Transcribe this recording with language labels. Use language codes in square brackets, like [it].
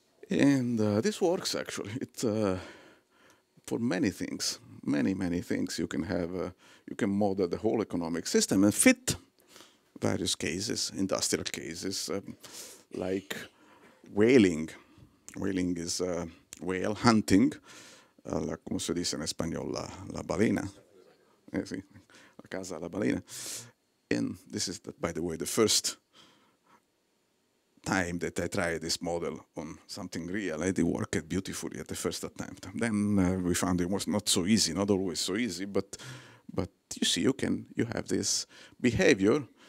[en] And this works actually. It for many things, many things you can have. You can model the whole economic system and fit various cases, industrial cases, like whaling. Whaling is whale hunting. [es] La, como se dice en español, la balena. Sí, la casa de la balena. [en] And this is, by the way, the first time that I tried this model on something real. It worked beautifully at the first attempt. Then we found it was not so easy, not always so easy, but you see, you have this behavior.